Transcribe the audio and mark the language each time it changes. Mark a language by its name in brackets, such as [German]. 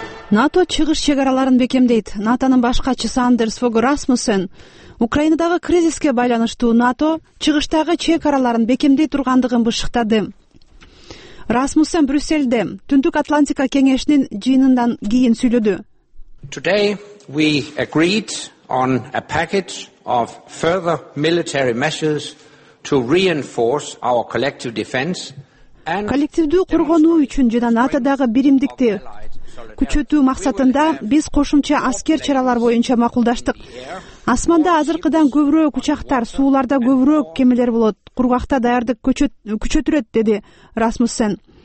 [Kyrgyz] НАТО чыгыш чекараларын бекемдейт. НАТОнун баш катчысы Андерс Фог Расмуссен Украинадагы кризиске байланыштуу НАТО чыгыштагы чекараларын бекемдей тургандыгын бышыктады. Расмуссен Брюссельде Түндүк Атлантика кеңешинин жыйынынан кийин сүйлөдү. [English] Today we agreed on a package of further military measures to reinforce our collective defense and [Kyrgyz] коллективдүү коргонуу үчүн жана НАТОдагы биримдикти күчөтүү максатында биз кошумча аскер чаралар боюнча макулдаштык. Асманда азыркыдан көбүрөөк учактар, сууларда көбүрөөк кемелер болот. Кургакта даярдык күчөтүрөт, деди Расмуссен.